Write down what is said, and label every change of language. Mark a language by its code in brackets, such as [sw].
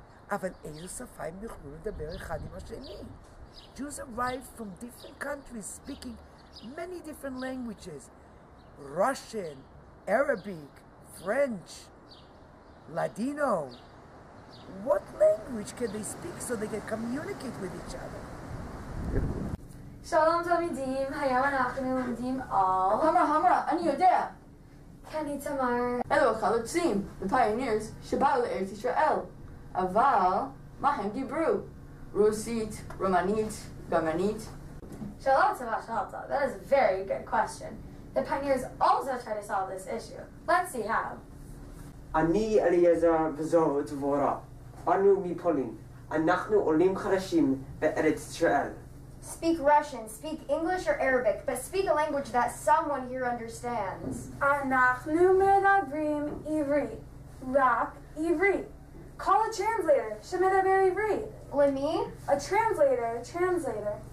[he] אבל איזו שפה הם יוכלו לדבר אחד עם השני? [en] Jews arrived from different countries speaking many different languages. Russian, Arabic, French, Ladino. What language can they speak so they can communicate with each other? [he] שלום תלמידים, היום אנחנו לומדים על... המרה, אני יודע! קני תמר... אלו החלוצים, [en] the pioneers, [he] שבאו לארץ ישראל. אבל, מה הם דיברו? רוסית, רומנית, גרמנית? [en] שאלה, that is a very good question. The pioneers also try to solve this issue. Let's see how. [he] אני אליעזר וזו דבורה. אנו מפולין. Anachnu olim chadashim be'eretz Yisrael. [en] Speak Russian, speak English or Arabic, but speak a language that someone here understands. [he] Anachnu medabrim ivrit, rak ivrit. [en] Call a translator, [he] shemedaber ivrit. Lemi? [en] A translator.